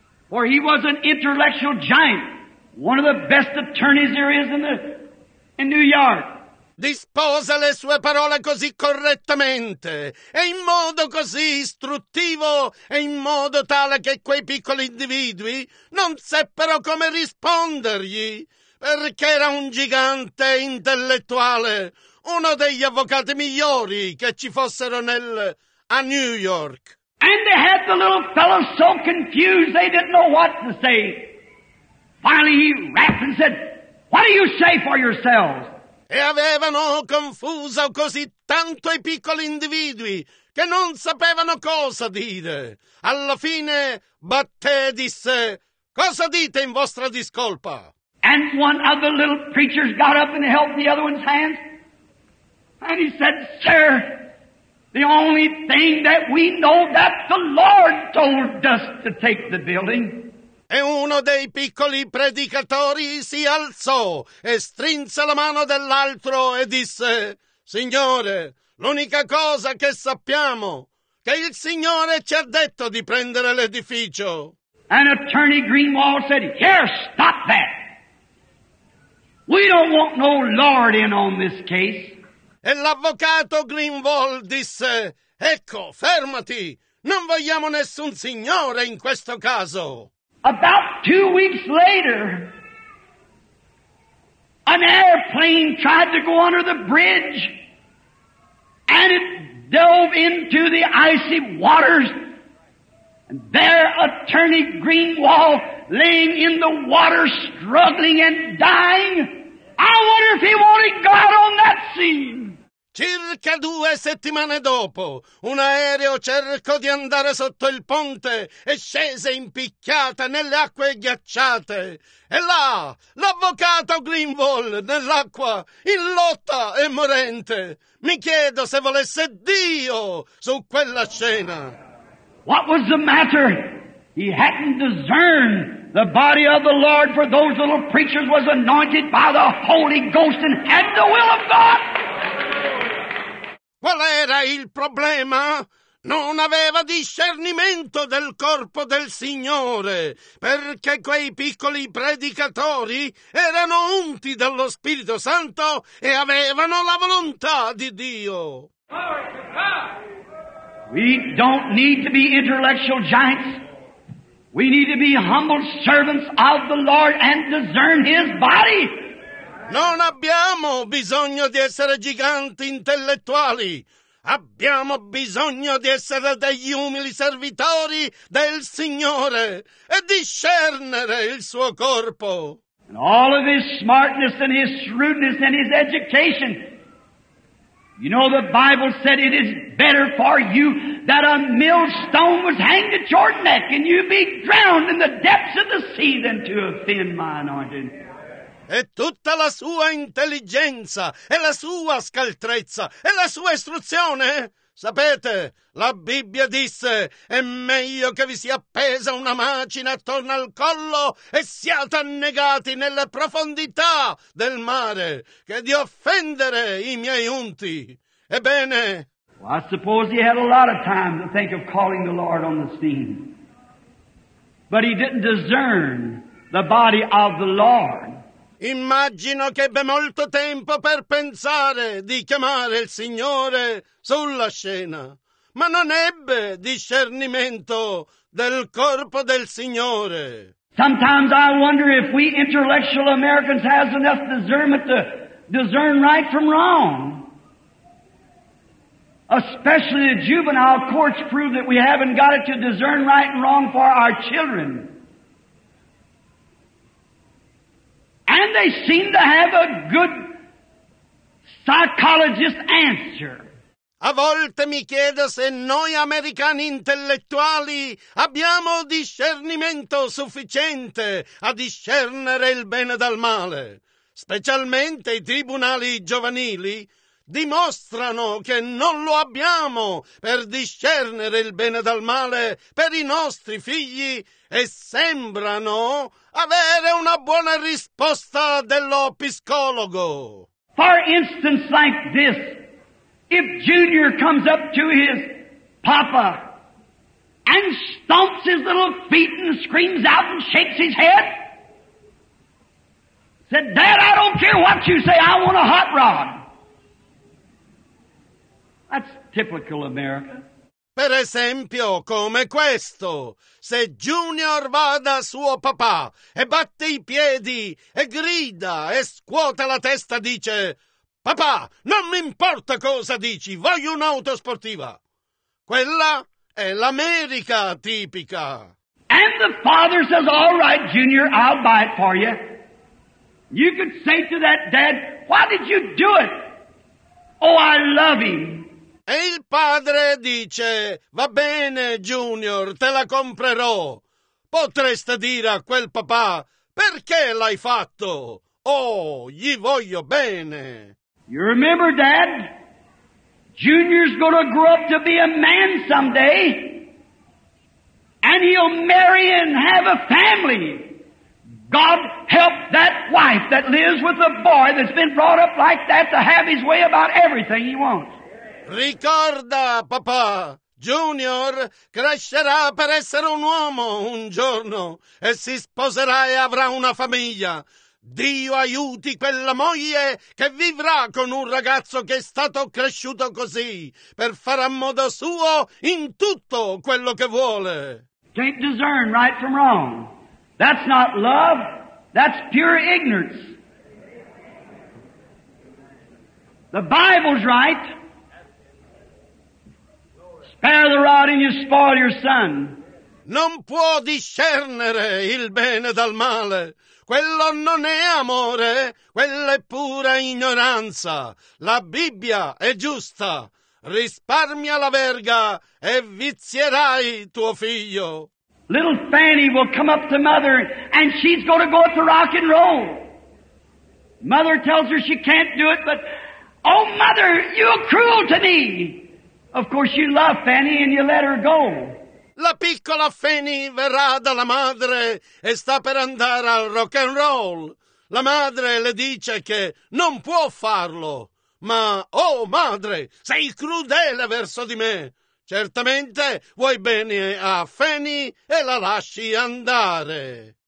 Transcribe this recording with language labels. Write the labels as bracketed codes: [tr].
[en] For he was an intellectual giant, one of the best attorneys there is in New York. [it] Dispose le sue parole così correttamente e in modo così istruttivo e in modo tale che quei piccoli individui non seppero come rispondergli, perché era un gigante intellettuale, uno degli avvocati migliori che ci fossero a New York. [en] And they had the little fellow so confused they didn't know what to say. Finally he rapped and said, "What do you say for yourselves?" [it] E avevano confuso così tanto i piccoli individui che non sapevano cosa dire. Alla fine Batté disse, "Cosa dite in vostra discolpa?" [en] And one of the little preachers got up and held the other one's hands. And he said, "Sir, the only thing that we know that the Lord told us to take the building." [it] E uno dei piccoli predicatori si alzò e strinse la mano dell'altro e disse, "Signore, l'unica cosa che sappiamo è che il Signore ci ha detto di prendere l'edificio." [en] And Attorney Greenwald said, "Here, stop that. We don't want no Lord in on this case." [it] E l'avvocato Greenwald disse, "Ecco, fermati, non vogliamo nessun signore in questo caso." [en] About 2 weeks later, an airplane tried to go under the bridge, and it dove into the icy waters, and there Attorney Greenwald laying in the water struggling and dying. I wonder if he wanted God on that scene. [it] Circa 2 settimane dopo, un aereo cercò di andare sotto il ponte e scese impicchiata nelle acque ghiacciate. E là, l'avvocato Greenwald, nell'acqua, in lotta e morente. Mi chiedo se volesse Dio su quella scena. [en] What was the matter? He hadn't discerned the body of the Lord, for those little preachers was anointed by the Holy Ghost and had the will of God. [it] Qual era il problema? Non aveva discernimento del corpo del Signore, perché quei piccoli predicatori erano unti dallo Spirito Santo e avevano la volontà di Dio. [en] We don't need to be intellectual giants. We need to be humble servants of the Lord and discern His body. [it] Non abbiamo bisogno di essere giganti intellettuali. Abbiamo bisogno di essere degli umili servitori del Signore e discernere il suo corpo. [en] And all of his smartness and his shrewdness and his education. You know the Bible said it is better for you that a millstone was hanged at your neck and you be drowned in the depths of the sea than to offend my anointed. [it] E tutta la sua intelligenza, e la sua scaltrezza, e la sua istruzione. Sapete, la Bibbia disse, è meglio che vi sia appesa una macina attorno al collo e siate annegati nelle profondità del mare, che di offendere i miei unti. Ebbene. [en] Well, I suppose he had a lot of time to think of calling the Lord on the scene. But he didn't discern the body of the Lord. [it] Immagino che ebbe molto tempo per pensare di chiamare il Signore sulla scena, ma non ebbe discernimento del corpo del Signore. [en] Sometimes I wonder if we intellectual Americans have enough discernment to discern right from wrong. Especially the juvenile courts prove that we haven't got it to discern right and wrong for our children. And they seem to have a good psychologist answer. [it] A volte mi chiedo se noi americani intellettuali abbiamo discernimento sufficiente a discernere il bene dal male. Specialmente i tribunali giovanili dimostrano che non lo abbiamo per discernere il bene dal male per i nostri figli e sembrano avere una buona risposta dello psicologo. [en] For instance like this, if Junior comes up to his papa and stomps his little feet and screams out and shakes his head, said, Dad, I don't care what you say, I want a hot rod. That's typical America. [it] Per esempio, come questo. Se Junior va da suo papà e batte i piedi e grida e scuote la testa, dice, papà, non mi importa cosa dici, voglio un'auto sportiva. Quella è l'America tipica. [en] And the father says, all right, Junior, I'll buy it for you. You could say to that dad, why did you do it? Oh, I love him. [it] E il padre dice, va bene, Junior, te la comprerò. Potreste dire a quel papà, perché l'hai fatto? Oh, gli voglio bene. [en] You remember, Dad? Junior's gonna grow up to be a man someday. And he'll marry and have a family. God help that wife that lives with a boy that's been brought up like that to have his way about everything he wants. [it] Ricorda, papà, Junior crescerà per essere un uomo un giorno e si sposerà e avrà una famiglia. Dio aiuti quella moglie che vivrà con un ragazzo che è stato cresciuto così per fare a modo suo in tutto quello che vuole. [en] Can't discern right from wrong. That's not love, that's pure ignorance. The Bible's right. Spare the rod and you spoil your son. [it] Non può discernere il bene dal male. Quello non è amore, quella è pura ignoranza. La Bibbia è giusta. Risparmia la verga e vizierai tuo figlio. [en] Little Fanny will come up to mother and she's going to go up to rock and roll. Mother tells her she can't do it, but, oh mother, you're cruel to me. Of course you love Fanny and you let her go. [it] La piccola Fanny verrà dalla madre e sta per andare al rock and roll. La madre le dice che non può farlo. Ma, oh madre, sei crudele verso di me. Certamente vuoi bene a Fanny e la lasci andare.